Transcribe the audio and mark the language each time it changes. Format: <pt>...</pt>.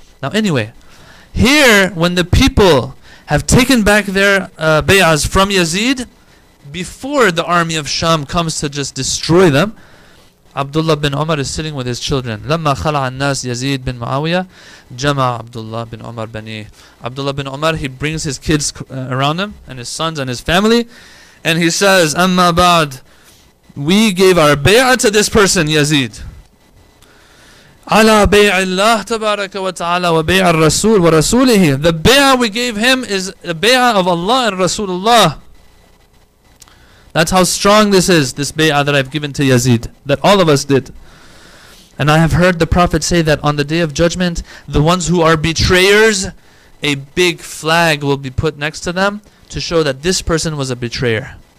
<en>Now anyway, here when the people have taken back their bay'ahs from Yazid, before the army of Sham comes to just destroy them, Abdullah bin Umar is sitting with his children.</en> <ar>لما خلع الناس يزيد بن معاوية جمع</ar> <en>Abdullah bin Umar بني Abdullah bin Umar, he brings his kids around him and his sons and his family, and he says,</en> <ar>أما بعد,</ar> <en>we gave our bay'ah to this person, Yazid.</en> <ar>على بيع الله تبارك وتعالى وبيع الرسول ورسوله.</ar> <en>The bay'ah we gave him is the bay'ah of Allah and Rasulullah. That's how strong this is, this bay'ah that I've given to Yazid, that all of us did. And I have heard the Prophet say that on the Day of Judgment, the ones who are betrayers, a big flag will be put next to them to show that this person was a betrayer.</en>